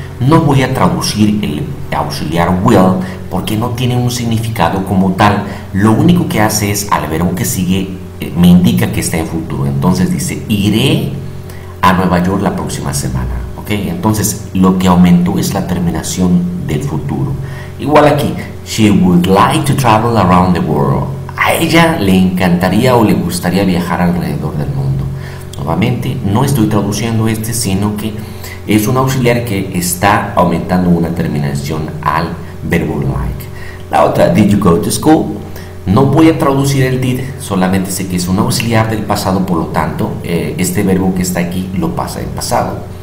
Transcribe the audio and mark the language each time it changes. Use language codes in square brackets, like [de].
[es] No voy a traducir el auxiliar will porque no tiene un significado como tal. Lo único que hace es, al verbo que sigue, me indica que está en futuro. Entonces dice: iré a Nueva York la próxima semana. ¿Ok? Entonces lo que aumentó es la terminación del futuro. Igual aquí: [en] she would like to travel around the world. [es] A ella le encantaría o le gustaría viajar alrededor del mundo. Nuevamente, no estoy traduciendo este, sino que es un auxiliar que está aumentando una terminación al verbo like. La otra: [en] did you go to school? [es] No voy a traducir el did, solamente sé que es un auxiliar del pasado, por lo tanto, este verbo que está aquí lo pasa en pasado.